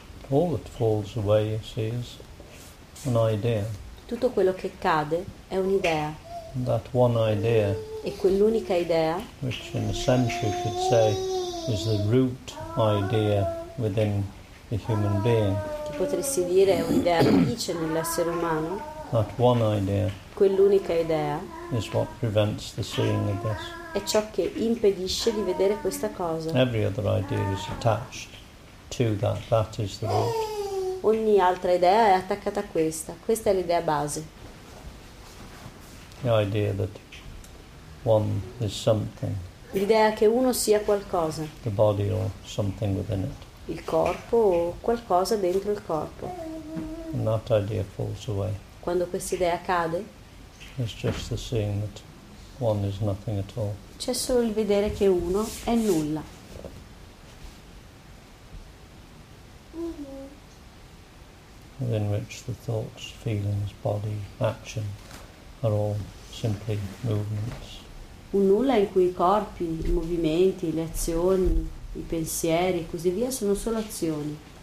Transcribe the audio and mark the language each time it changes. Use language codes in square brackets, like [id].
[en] All that falls away, you see, is an idea. [it] Tutto quello che cade è un'idea. [en] That one idea. [it] E quell'unica idea. [en] Which, in a sense, you could say, is the root idea within the human being. [it] Che potresti dire è un'idea radice nell'essere umano? [en] That one idea. [it] Quell'unica idea. [en] Is what prevents the seeing of this. [it] È ciò che impedisce di vedere questa cosa. [en] Every other idea is attached to that. That is the root. [it] Ogni altra idea è attaccata a questa. Questa è l'idea base. [en] The idea that one is something. [it] L'idea che uno sia qualcosa. [en] The body or something within it. [it] Il corpo o qualcosa dentro il corpo. [en] And that idea falls away. [it] Quando questa idea cade. [en] It's just the seeing that one is nothing at all. [it] C'è solo il vedere che uno è nulla. [en] Within which the thoughts, feelings, body, action are all simply movements. [it] Un nulla in cui i corpi, i movimenti, le azioni, i pensieri e così via sono solo azioni.